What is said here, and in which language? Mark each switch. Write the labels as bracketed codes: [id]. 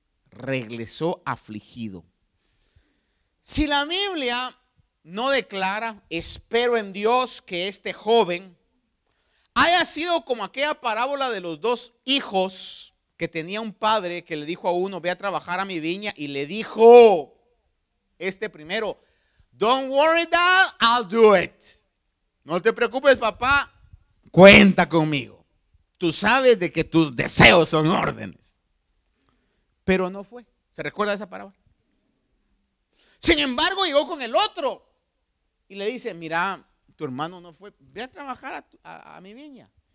[es] Regresó afligido. Si la Biblia no declara, espero en Dios que este joven haya sido como aquella parábola de los dos hijos que tenía un padre que le dijo a uno, ve a trabajar a mi viña y le dijo... Este primero, [en] don't worry dad, I'll do it. [es] No te preocupes papá, cuenta conmigo. Tú sabes de que tus deseos son órdenes. Pero no fue, ¿se recuerda esa parábola? Sin embargo llegó con el otro y le dice, mira, tu hermano no fue, ve a trabajar a mi viña.